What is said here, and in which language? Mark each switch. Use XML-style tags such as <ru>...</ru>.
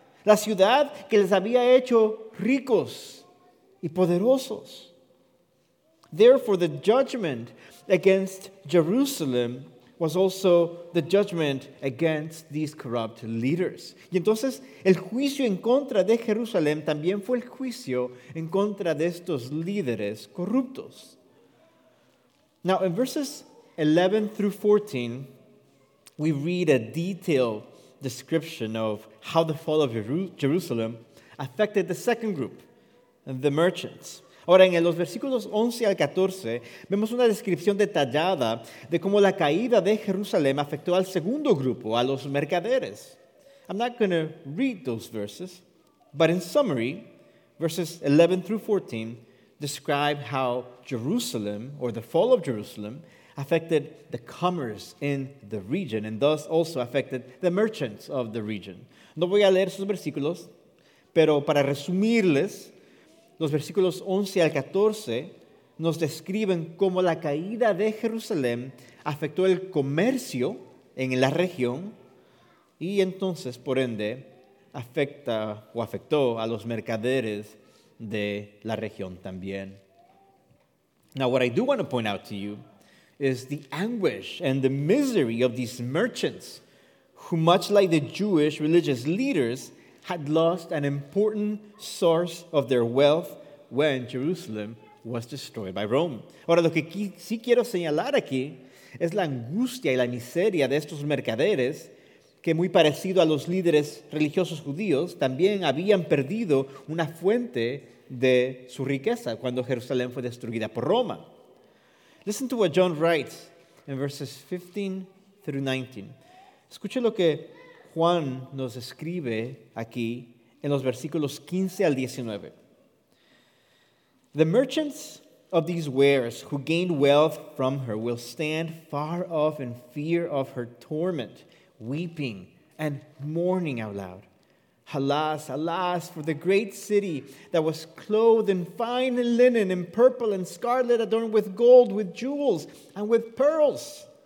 <es>La ciudad que les había hecho ricos y poderosos.</es> <en>Therefore, the judgment against Jerusalem was also the judgment against these corrupt leaders.</en> <es>Y entonces, el juicio en contra de Jerusalén también fue el juicio en contra de estos líderes corruptos.</es> <en>Now, in verses 11 through 14, we read a detailed description of how the fall of Jerusalem affected the second group, the merchants.</en> <es>Ahora, en los versículos 11 al 14, vemos una descripción detallada de cómo la caída de Jerusalén afectó al segundo grupo, a los mercaderes.</es> <en>I'm not going to read those verses, but in summary, verses 11 through 14 describe how Jerusalem, or the fall of Jerusalem, affected the commerce in the region and thus also affected the merchants of the region.</en> <es>No voy a leer esos versículos, pero para resumirles, los versículos 11 al 14 nos describen cómo la caída de Jerusalén afectó el comercio en la región y entonces, por ende, afecta o afectó a los mercaderes de la región también.</es> <en>Now, what I do want to point out to you is the anguish and the misery of these merchants who, much like the Jewish religious leaders, had lost an important source of their wealth when Jerusalem was destroyed by Rome.</en> <es>Ahora, lo que sí quiero señalar aquí es la angustia y la miseria de estos mercaderes que, muy parecido a los líderes religiosos judíos, también habían perdido una fuente de su riqueza cuando Jerusalén fue destruida por Roma.</es> <en>Listen to what John writes in verses 15 through 19.</en> <es>Escuche lo que Juan nos escribe aquí en los versículos 15 al 19.</es> <en>The merchants of these wares who gained wealth from her will stand far off in fear of her torment, weeping and mourning out loud. Alas, alas, for the great city that was clothed in fine linen, in purple and scarlet, adorned with gold, with jewels and with pearls.</en>